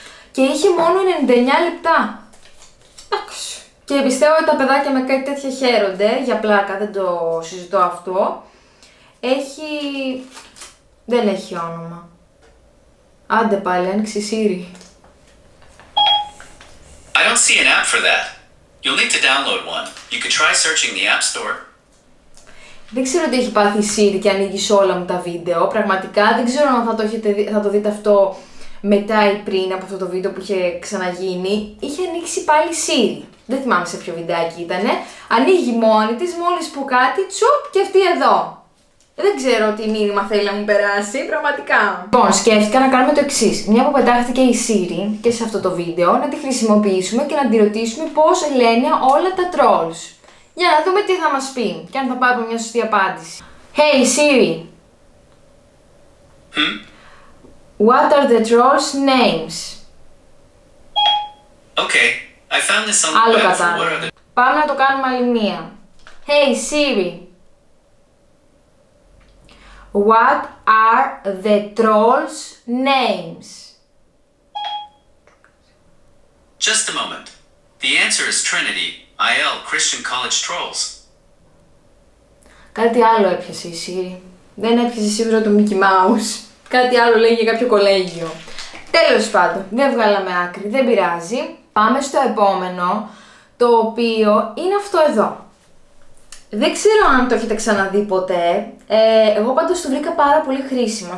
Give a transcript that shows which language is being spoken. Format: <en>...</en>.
<el>Και είχε μόνο 99 λεπτά. Εντάξει. Και πιστεύω ότι τα παιδάκια με κάτι τέτοια χαίρονται, για πλάκα, δεν το συζητώ αυτό. Έχει... δεν έχει όνομα. Άντε πάλι, άνοιξε Siri.</el> <en>I don't see an app for that. You'll need to download one. You could try searching the app store.</en> <el>Δεν ξέρω τι έχει πάθει η Siri και ανοίγει σε όλα μου τα βίντεο. Πραγματικά δεν ξέρω αν θα το δείτε αυτό μετά ή πριν από αυτό το βίντεο που είχε ξαναγίνει. Είχε ανοίξει πάλι η Siri. Δεν θυμάμαι σε ποιο βιντεάκι ήτανε. Ανοίγει μόνη της, μόλις που κάτι, τσουπ και αυτή εδώ. Δεν ξέρω τι μήνυμα θέλει να μου περάσει, πραγματικά. Λοιπόν, σκέφτηκα να κάνουμε το εξής. Μια που πετάχτηκε η Siri και σε αυτό το βίντεο, να τη χρησιμοποιήσουμε και να τη ρωτήσουμε πώς λένε όλα τα trolls. Για να δούμε τι θα μας πει και αν θα πάρουμε μια σωστή απάντηση.</el> <en>Hey Siri! What are the trolls' names? Okay, I found this on the web. What are the...</en> <el>Πάμε να το κάνουμε άλλη μία.</el> <en>Hey Siri! What are the trolls' names? Just a moment. The answer is Trinity. IL, Christian College Trolls.</en> <el>Κάτι άλλο έπιασε η Siri. Δεν έπιασε σίγουρα το Mickey Mouse. Κάτι άλλο λέει για κάποιο κολέγιο. Τέλος πάντων, δεν βγάλαμε άκρη, δεν πειράζει. Πάμε στο επόμενο, το οποίο είναι αυτό εδώ. Δεν ξέρω αν το έχετε ξαναδεί ποτέ. Εγώ πάντως το βρήκα πάρα πολύ χρήσιμο.</el>